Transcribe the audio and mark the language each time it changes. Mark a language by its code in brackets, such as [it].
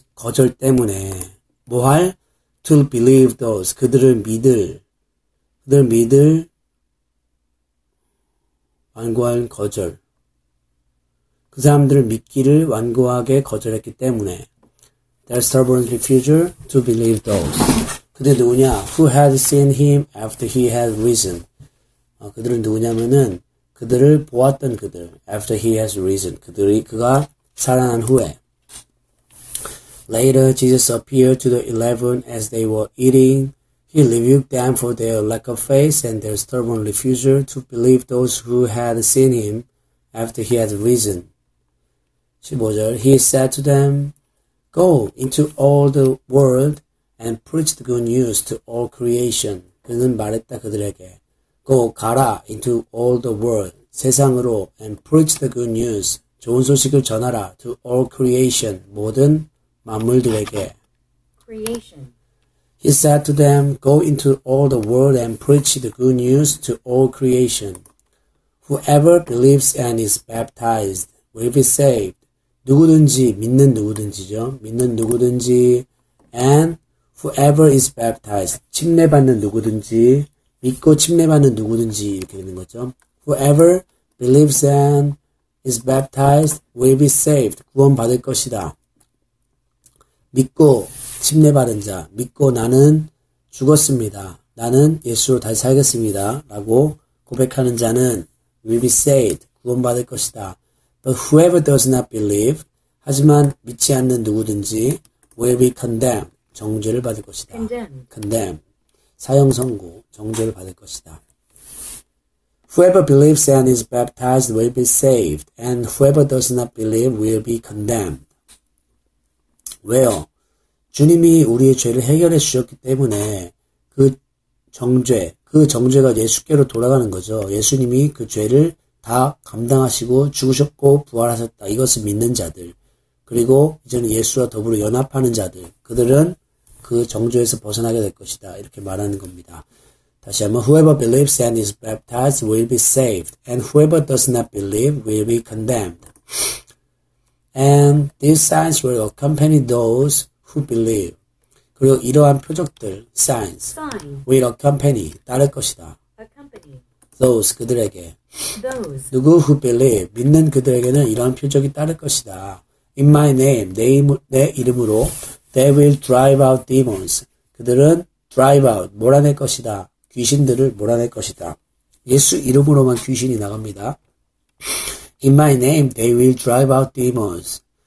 [ko] 거절 때문에. 뭐할? [en] To believe those. [ko] 그들을 믿을. 완고한 거절. 그 사람들을 믿기를 완고하게 거절했기 때문에. [en] Their stubborn refusal to believe those. [ko] 그들 누구냐? [en] Who had seen him after he had risen. [ko] 그들은 누구냐면은 그들을 보았던 그들. [en] After he has risen. [ko] 그가 살아난 후에. [en] Later, Jesus appeared to the 11 as they were eating. He rebuked them for their lack of faith and their stubborn refusal to believe those who had seen him after he had risen. 15절, he said to them, Go into all the world and preach the good news to all creation. [ko] 그는 말했다 그들에게. [en] Go, [ko] 가라, [en] into all the world, [ko] 세상으로, [en] and preach the good news, [ko] 좋은 소식을 전하라, [en] to all creation, [ko] 모든 만물들에게. [en] Creation. He said to them, Go into all the world and preach the good news to all creation. Whoever believes and is baptized will be saved. [ko] 누구든지, 믿는 누구든지죠. 믿는 누구든지. [en] And whoever is baptized, [ko] 침례받는 누구든지. 믿고 침례받는 누구든지 이렇게 되는 거죠. [en] Whoever believes and is baptized will be saved. [ko] 구원받을 것이다. 믿고 침례받은 자, 믿고 나는 죽었습니다. 나는 예수로 다시 살겠습니다. 라고 고백하는 자는 [en] will be saved, [ko] 구원받을 것이다. [en] But whoever does not believe, [ko] 하지만 믿지 않는 누구든지 [en] will be condemned, [ko] 정죄를 받을 것이다. [en] Condemned. [ko] 사형선고, 정죄를 받을 것이다. [en] Whoever believes and is baptized will be saved, and whoever does not believe will be condemned. [ko] 왜요? 주님이 우리의 죄를 해결해 주셨기 때문에 그 정죄가 예수께로 돌아가는 거죠. 예수님이 그 죄를 다 감당하시고 죽으셨고 부활하셨다. 이것을 믿는 자들. 그리고 이제는 예수와 더불어 연합하는 자들. 그들은 그 정죄에서 벗어나게 될 것이다. 이렇게 말하는 겁니다. 다시 한번 [en] Whoever believes and is baptized will be saved. And whoever does not believe will be condemned. And Then these signs will accompany those who believe. [ko] 그리고 이러한 표적들, [en] signs, will accompany, [ko] 따를 것이다. [en] Those, [ko] 그들에게. [en] Those. [ko] 누구 [en] who believe, [ko] 믿는 그들에게는 이러한 표적이 따를 것이다. [en] In my name, [ko] 내 이름으로, [en] they will drive out demons. [ko] 그들은 drive out, 몰아낼 것이다. 귀신들을 몰아낼 것이다. 예수 이름으로만 귀신이 나갑니다. [en] In my name, they will drive out demons.